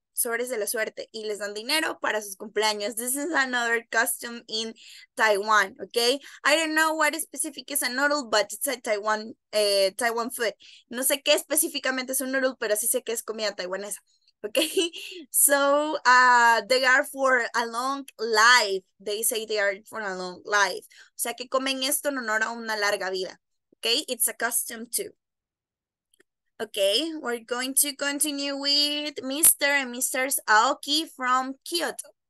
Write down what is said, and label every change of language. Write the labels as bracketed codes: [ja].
[es] Sobres de la suerte y les dan dinero para sus cumpleaños. [en] This is another custom in Taiwan, okay? I don't know what specific is a noodle, but it's a Taiwan, Taiwan food. [es] No sé qué específicamente es un noodle, pero sí sé que es comida taiwanesa, okay? [en] So, they are for a long life. They say they are for a long life. [es] O sea, que comen esto en honor a una larga vida, okay? [en] It's a custom too. Okay, we're going to continue with Mr. and Mrs. Aoki from Kyoto.